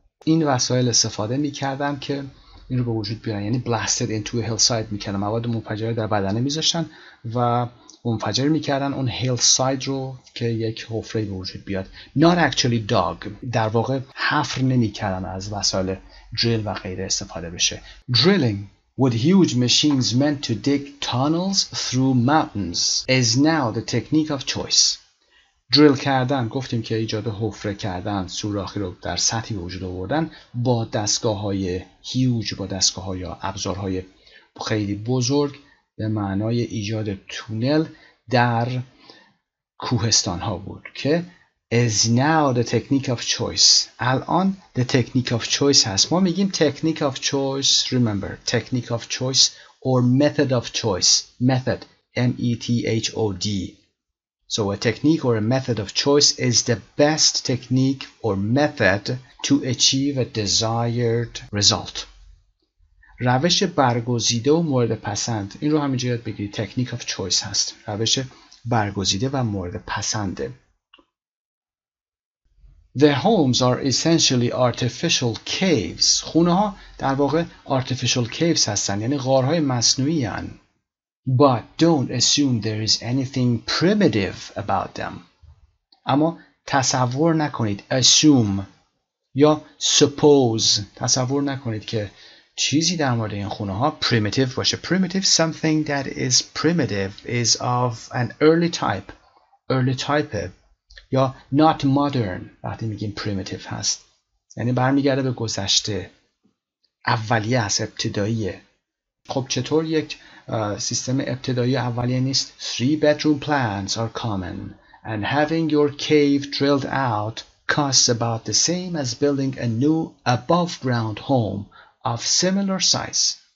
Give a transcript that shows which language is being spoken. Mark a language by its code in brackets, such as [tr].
[fa] این وسایل استفاده می کردن که این رو به وجود بیارن، یعنی [en] blasted into a hillside [fa] می کردن، مواد منفجره در بدنه می زاشتن و منفجر می کردن اون hillside رو که یک حفره به وجود بیاد. [en] Not actually dug، [fa] در واقع حفر نمی کردن، از وسایل drill و غیره استفاده بشه. [en] Drilling with huge machines meant to dig tunnels through mountains is now the technique of choice. [fa] Drill کردن، گفتیم که ایجاد حفره کردن، سوراخی رو در سطحی به وجود آوردن با دستگاه‌های huge، با دستگاه‌های یا ابزارهای خیلی بزرگ، به معنای ایجاد تونل در کوهستان‌ها بود که [en] is now the technique of choice. [fa] الان [en] the technique of choice [fa] هست. ما میگیم technique of choice. [en] Remember, technique of choice or method of choice. Method. M-E-T-H-O-D. So a technique or a method of choice is the best technique or method to achieve a desired result. [fa] روش برگزیده و مورد پسند. این رو همینجا یاد بگیری. [en] Technique of choice هست. [fa] روش برگزیده و مورد پسنده. [en] The homes are essentially artificial caves. [fa] خونه‌ها در واقع [en] artificial caves [fa] هستن، یعنی غارهای مصنوعی هن. [en] But don't assume there is anything primitive about them. [fa] اما تصور نکنید assume یا suppose، تصور نکنید که چیزی در مورد این خونه‌ها primitive باشه. [en] Primitive something that is primitive is of an early type. Early type. [fa] یا [en] not modern [fa] وقتی میگیم primitive هست، یعنی برمیگرده به گذشته، اولیه هست، ابتداییه. خب چطور یک سیستم ابتدایی اولیه نیست؟ [en] Three bedroom plans are common and having your cave drilled out costs about the same as building a new above ground home of similar size.